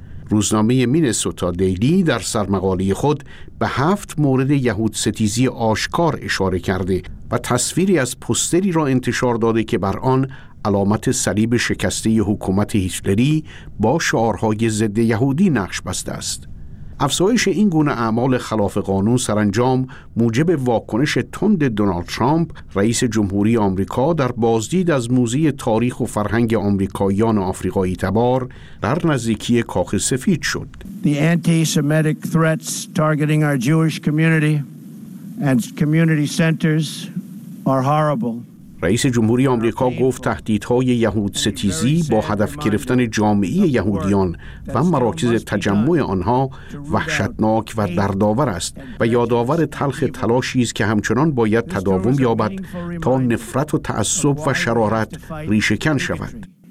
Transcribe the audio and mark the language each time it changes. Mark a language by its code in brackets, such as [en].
[fa] روزنامه مینسوتا دیلی در سرمقاله خود به 7 مورد یهود ستیزی آشکار اشاره کرده و تصویری از پوستری را انتشار داده که بر آن علامت صلیب شکسته حکومت هیتلری با شعارهای ضد یهودی نقش بسته است. افزایش این گونه اعمال خلاف قانون سرانجام موجب واکنش تند دونالد ترامپ، رئیس جمهوری آمریکا، در بازدید از موزه تاریخ و فرهنگ آمریکاییان آفریقایی تبار در نزدیکی کاخ سفید شد. [en] The anti-Semitic threats targeting our Jewish community and community centers are horrible. [fa] رئیس جمهوری آمریکا گفت تهدیدهای یهود ستیزی با هدف گرفتن جامعه یهودیان و مراکز تجمع آنها وحشتناک و دردآور است و یادآور تلخ تلاشی است که همچنان باید تداوم یابد تا نفرت و تعصب و شرارت ریشه کن شود.